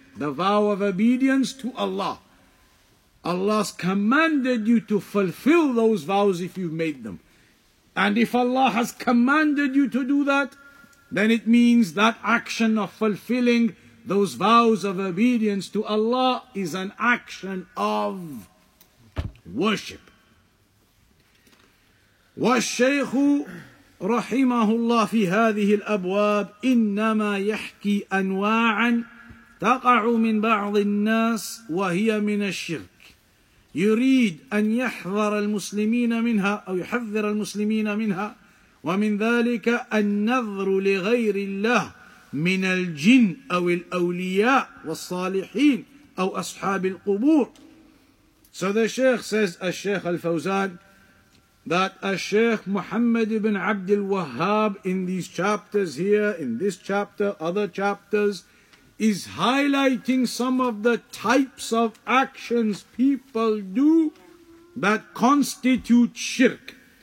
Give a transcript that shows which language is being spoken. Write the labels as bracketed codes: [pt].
[en] The vow of obedience to Allah. Allah's commanded you to fulfill those vows if you've made them. And if Allah has commanded you to do that, then it means that action of fulfilling those vows of obedience to Allah is an action of worship. [ar] والشيخ رحمه الله في هذه الأبواب إنما يحكي أنواعا تقع من بعض الناس وهي من الشرك. يريد أن يحذر المسلمين منها أو يحذر المسلمين منها, ومن ذلك النذر لغير الله من الجن أو الأولياء والصالحين أو أصحاب القبور. [en] So the Sheikh says, الشيخ الفوزان, that a Shaykh Muhammad ibn Abdul Wahhab in these chapters here, in this chapter, other chapters, is highlighting some of the types of actions people do that constitute shirk.